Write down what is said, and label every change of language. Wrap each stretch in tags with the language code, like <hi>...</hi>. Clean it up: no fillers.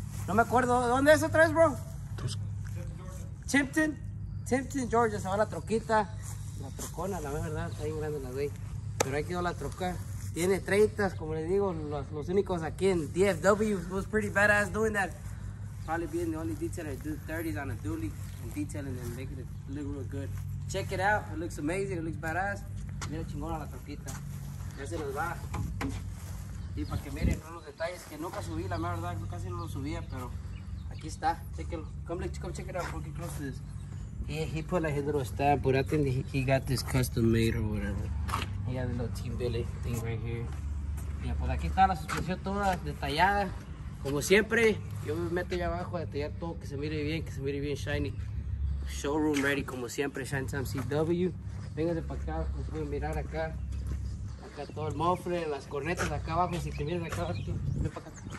<es>No me acuerdo, ¿dónde es otra vez, bro? Chimpton. Simpson, Georgia, se va la troquita. La trocona, la verdad, está bien grande la güey. Pero ahí quedó la troca. Tiene 30, como les digo, los únicos aquí en DFW.</es> <en>Was pretty badass doing that. Probably being the only detailer to do 30s on a dually and detailing and making it look real good. Check it out, it looks amazing, it looks badass.</en> <es>Mira chingona la troquita. Ya se nos va. Y para que miren todos los detalles que nunca subí, la verdad, casi no lo subía, pero aquí está. Chequenlo.</es> <en>Come check it out, porque close to this. He put like his little stamp, but I think he got this custom made or whatever. He got a little Team Billy thing right here.</en> <es>Yeah, pues aquí está la suspensión toda detallada. Como siempre, yo me meto allá abajo a detallar todo, que se mire bien shiny.</es> <en>Showroom ready,</en> <es>como siempre, Shine Time CW. Vénganse para acá, pues pueden mirar acá. Acá todo el muffler, las cornetas acá abajo. Si te miran acá abajo, ven para acá.</es>